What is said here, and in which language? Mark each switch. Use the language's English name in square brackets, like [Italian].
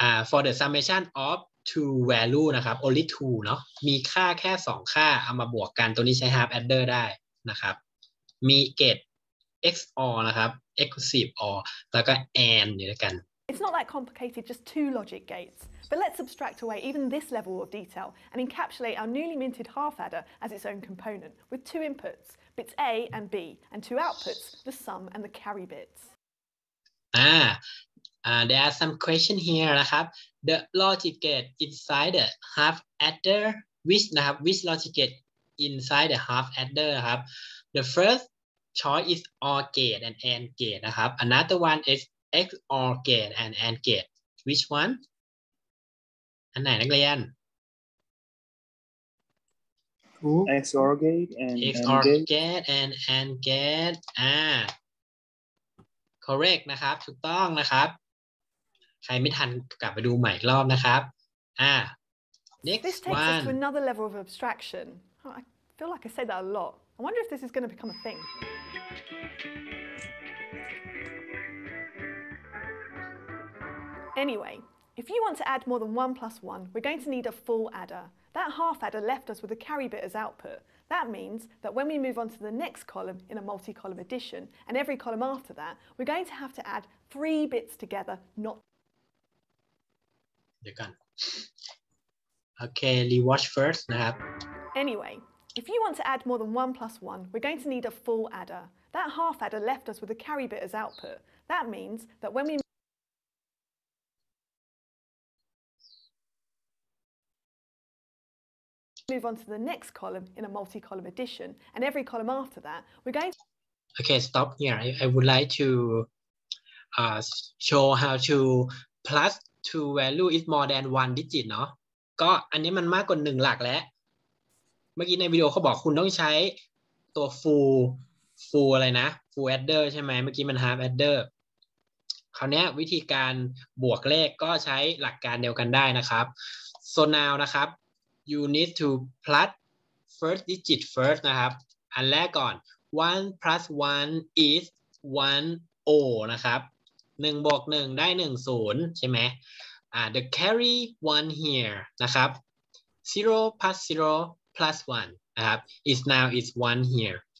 [English] for the summation of two value [Thai] นะครับ only two เนาะมีค่าแค่สองค่าเอามาบวกกันตรงนี้ใช้ half adder ได้นะครับมี gate XOR นะครับ exclusive OR แล้วก็ AND อยู่ด้วยกัน [English] it's not that complicated just two logic gatesBut let's subtract away even this level of detail and encapsulate our newly minted half adder as its own component with two inputs, bits A and B, and two outputs, the sum and the carry bits. There are some question here, นะครับ. The logic gate inside the half adder, which, นะครับ, which logic gate inside the half adder, นะครับ. The first choice is OR gate and AND gate, นะครับ. Another one is XOR gate and AND gate. Which one? [Thai] อันไหนนักเรียน [English] XOR gate and XOR gate and AND gate correct [Thai] นะครับถูกต้องนะครับใครไม่ทันกลับไปดูใหม่อีกรอบนะครับnext [English] this takes one. us to another level of abstraction oh, I feel like I say that a lot I wonder if this is going to become a thingAnywayIf you want to add more than 1 plus 1, we're going to need a full adder. That half adder left us with a carry bit as output. That means that when we move on to the next column in a multi-column addition, and every column after that, we're going to have to add 3 bits together, not... Okay, rewatch first, nap. Anyway, if you want to add more than 1 plus 1, we're going to need a full adder. That half adder left us with a carry bit as output. That means that when we... Move on to the next column in a multi-column addition, and every column after that, we're going. To okay, stop here. I would like to show how to plus two value is more than one digit. [Thai] No, ก็อันนี้มันมากกว่าหนึ่งหลักแล้วเมื่อกี้ในวิดีโอเขาบอกคุณต้องใช้ตัว full อะไรนะ full adder ใช่ไหมเมื่อกี้มัน half adder คราวนี้วิธีการบวกเลขก็ใช้หลักการเดียวกันได้นะครับ [English] so now [Thai] นะครับ [English] You need to plus first digit first [Thai] นะครับอันแรกก่อน [English] 1 plus 1 is 10 [Thai] นะครับ1บวก1ได้1 0ใช่ไหม [English] the carry 1 here [Thai] นะครับ [English] 0 plus 0 plus 1 [Thai] นะครับ [English] is now is 1 here